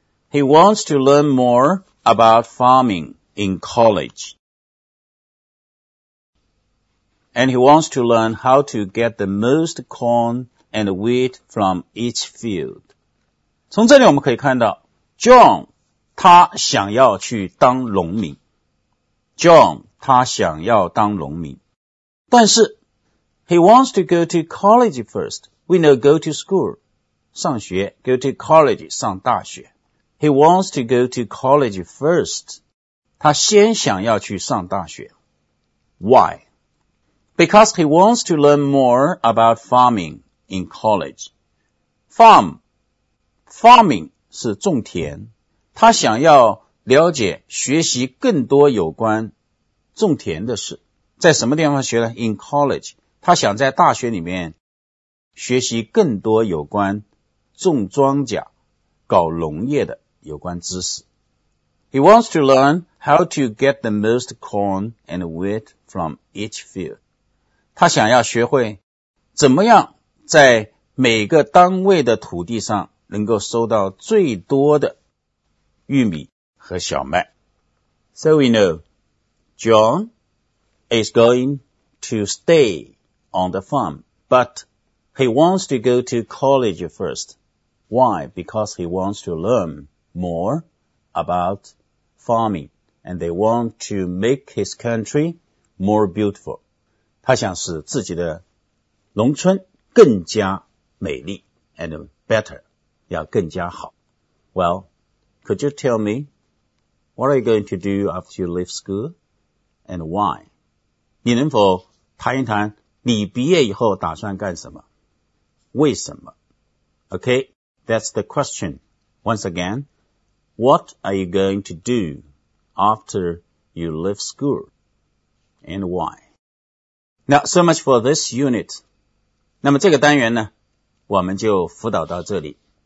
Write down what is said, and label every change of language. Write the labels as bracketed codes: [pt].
[en] He wants to learn moreabout farming in college. And he wants to learn how to get the most corn and wheat from each field. [zh] 从这里我们可以看到 ,John, 他想要去当农民。 John, 他想要当农民。但是 [en] ,he wants to go to college first. We know go to school, [zh] 上学 , go to college, 上大学。 [en] He wants to go to college first. [zh] 他先想要去上大学。 [en] Why? Because he wants to learn more about farming in college. [zh] Farming 是种田。他想要了解、学习更多有关种田的事。在什么地方学呢? In college. 他想在大学里面学习更多有关种庄稼、搞农业的。有关知识。 [en] He wants to learn how to get the most corn and wheat from each field. [zh] 他想要学会怎么样在每个单位的土地上能够收到最多的玉米和小麦。 [en] So we know, John is going to stay on the farm, but he wants to go to college first. Why? Because he wants to learn more about farming, and they want to make his country more beautiful. [zh] 他想使自己的农村更加美丽 and better, 要更加好。 [en] Well, could you tell me, what are you going to do after you leave school and why? [zh] 你能否谈一谈你毕业以后打算干什么？为什么？ [en] Okay, that's the question. Once again, what are you going to do after you leave school and why? Now, so much for this unit. [zh] 那么这个单元呢，我们就辅导到这里。